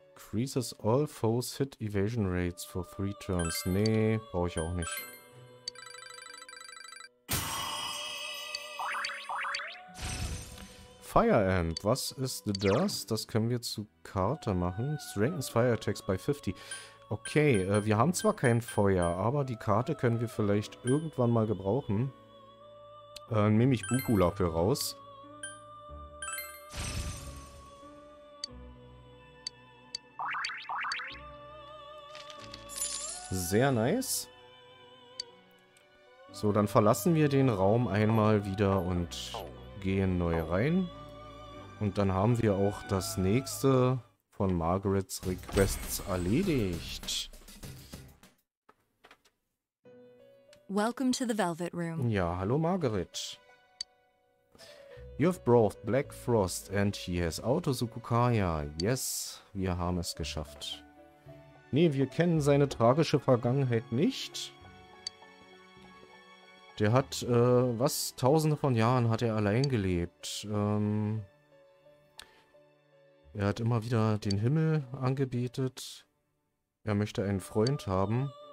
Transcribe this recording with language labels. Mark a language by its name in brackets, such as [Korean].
[English] Increases all foes hit evasion rates for 3 turns. [German] Nee, brauche ich auch nicht. Fire Amp, was ist das? Das können wir zu Karte machen. [English] Strengthens Fire Attacks by 50. [German] Okay, wir haben zwar kein Feuer, aber die Karte können wir vielleicht irgendwann mal gebrauchen. Nehme ich Bukula für raus. Sehr nice. So, dann verlassen wir den Raum einmal wieder und gehen neu rein. Und dann haben wir auch das nächste von Margarets Requests erledigt. [English] Welcome to the Velvet Room. [German] Ja, hallo Margaret. [English] You have brought Black Frost and he has Auto Sukukaya. [German] Yes, wir haben es geschafft. Nee, wir kennen seine tragische Vergangenheit nicht. Der hat, was? Tausende von Jahren hat er allein gelebt. Er hat immer wieder den Himmel angebetet. Er möchte einen Freund haben.